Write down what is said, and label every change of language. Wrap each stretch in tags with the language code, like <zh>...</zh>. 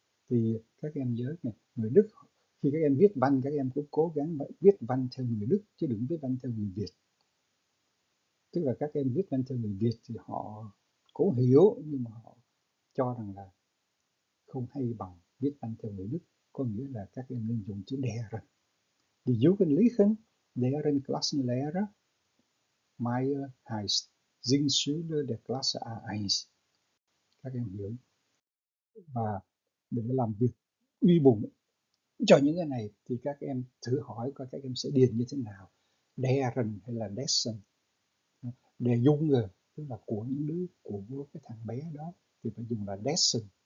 <vi>Thì các em nhớ này, người Đức, khi các em viết văn, các em cũng cố gắng viết văn theo người Đức, chứ đừng viết văn theo người Việt. Tức là các em viết văn theo người Việt thì họ cố hiểu nhưng mà họ cho rằng là không hay bằng viết văn theo người Đức, có nghĩa là các em nên dùng chữ deren.</vi> <de>Die Jugendlichen deren Klassenlehrer Meyer heißt sind Schüler der Klasse A1.</de> <vi>Các em hiểu. Và để làm việc uy bùng cho những cái này thì các em thử hỏi coi các em sẽ điền như thế nào: deren hay là dessen. Để dùng rồi, tức là của những đứa, của cái thằng bé đó thì phải dùng là dessen.</vi>